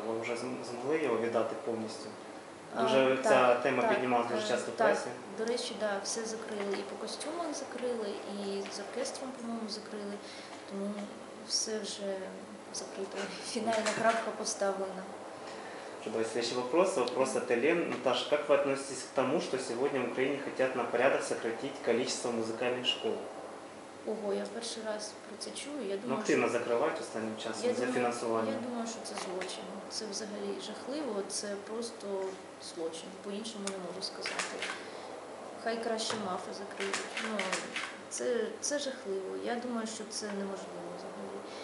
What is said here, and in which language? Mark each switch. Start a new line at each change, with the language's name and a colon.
Ukrainian: Ви вже змогли його віддати повністю? Дуже ця тема піднімалася дуже часто в пресі. Так, до речі, да, все закрили. І по костюмах закрили, і з оркестром, по-моєму, закрили. Тому все вже закрито. Фінальна крапка поставлена. Чудово,
Russian: следующий вопрос. Вопрос от Елен. Наташа, как вы относитесь к тому, что сегодня в Украине хотят на порядок сократить количество музыкальных школ?
Ukrainian: Ого, я перший раз про це чую. Я думаю, ну, активно що... закривають останнім часом за фінансування. Я думаю, що це злочин. Це взагалі жахливо, це просто злочин. По-іншому не можу сказати. Хай краще МАФи закриють. Ну, це жахливо. Я думаю, що це неможливо взагалі.